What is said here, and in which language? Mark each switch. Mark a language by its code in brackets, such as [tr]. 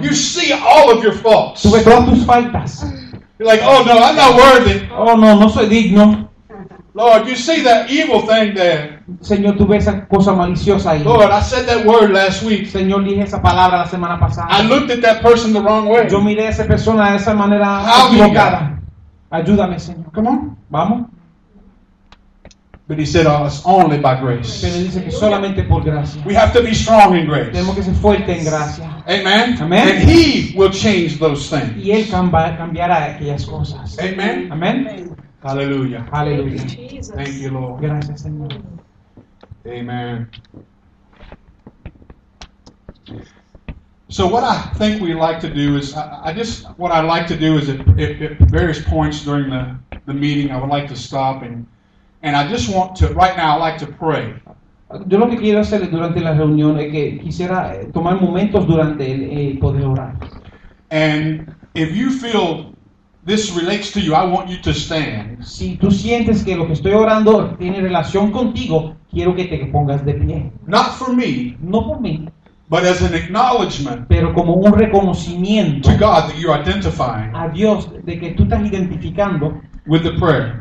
[en] You see all of your faults. [es] Tú ves todas tus faltas. [en] You're like, oh no, I'm not worthy. [es] Oh no, no soy digno. [en] Lord, you see that evil thing there. [es] Señor, tú ves esa cosa maliciosa ahí. [en] Lord, I said that word last week. [es] Señor, dije esa palabra la semana pasada. [en] I looked at that person the wrong way. [es] Yo miré a esa persona de esa manera equivocada. Ayúdame, Señor. [en] Come on. [es] Vamos. [en] But he said, oh, it's only by grace. [es] Pero dice que solamente por gracia. [en] We have to be strong in grace. [es] Tenemos que ser fuerte en gracia. [en] Amen. [es] Amen. [en] And He will change those things. [es] Y Él cambiará aquellas cosas. [en] Amen. [es] Amen. Amen. [en] Hallelujah. [es] Hallelujah. [en] Thank you, Lord. [es] Gracias, Señor. [en] Amen. So what I think we like to do is, I just, what I like to do is at various points during the the meeting. I would like to stop and I just want to right now. I like to pray. [es] Yo lo que quiero hacer durante la reunión es que quisiera tomar momentos durante el poder orar. [en] And if you feel this relates to you, I want you to stand. [es] Si tú sientes que lo que estoy orando tiene relación contigo, quiero que te pongas de pie. [en] Not for me. [es] No por mí. [en] But as an acknowledgement. [es] Pero como un reconocimiento. [en] To God that you're identifying. [es] A Dios de que tú estás identificando. [en] With the prayer.